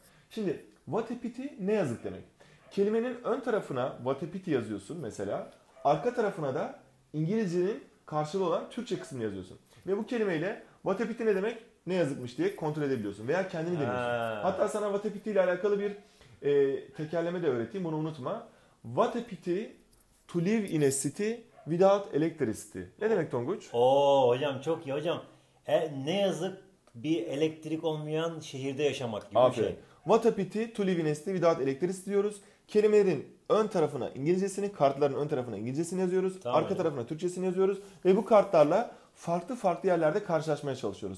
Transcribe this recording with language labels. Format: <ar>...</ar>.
<tr>Şimdi</tr> <en>what a pity</en> <tr>ne yazık demek? Kelimenin ön tarafına what a pity yazıyorsun mesela, arka tarafına da İngilizcenin karşılığı olan Türkçe kısmını yazıyorsun. Ve bu kelimeyle</tr> <en>what a pity</en> <tr>ne demek? Ne yazıkmış diye kontrol edebiliyorsun. Veya kendini deniyorsun. Hatta sana</tr> <en>what a pity</en> <tr>ile alakalı bir tekerleme de öğreteyim. Bunu unutma.</tr> <en>What a pity to live in a city without electricity.</en> <tr>Ne demek Tonguç? Oo hocam çok iyi hocam. Ne yazık bir elektrik olmayan şehirde yaşamak gibi Aferin. Bir şey.</tr> <en>What a pity to live in a city without electricity</en> <tr>diyoruz. Kelimelerin ön tarafına İngilizcesini, kartların ön tarafına İngilizcesini yazıyoruz. Tamam arka hocam. Tarafına Türkçesini yazıyoruz. Ve bu kartlarla farklı farklı yerlerde karşılaşmaya çalışıyoruz.</tr>